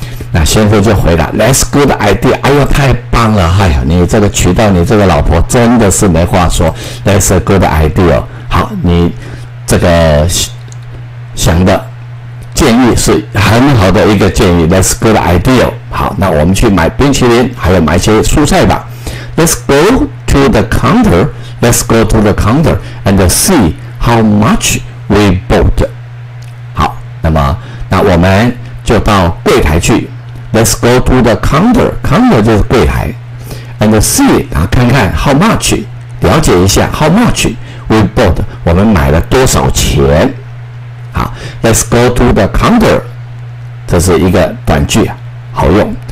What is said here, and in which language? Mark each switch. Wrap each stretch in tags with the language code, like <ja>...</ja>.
<zh>那先生就回答</zh> <en>That's good idea，</en> <zh>哎呀，太棒了，哎呀，你这个娶到你这个老婆真的是没话说。</zh> <en>That's a good idea，</en> <zh>好，你这个想的建议是很好的一个建议，</zh> <en>That's good idea。</en> <zh>好，那我们去买冰淇淋还有买一些蔬菜吧。</zh> <en>Let's go to the counter， Let's go to the counter and see how much we bought。</en> <zh>好，那么那我们就到柜台去。</zh> <en>Let's go to the counter， counter</en> <zh>就是柜台，</zh> <en>and see，</en> <zh>然后看看</zh> <en>how much，</en> <zh>了解一下</zh> <en>how much we bought，</en> <zh>我们买了多少钱。好，</zh> <en>Let's go to the counter，</en> <zh>这是一个短句啊，好用。</zh>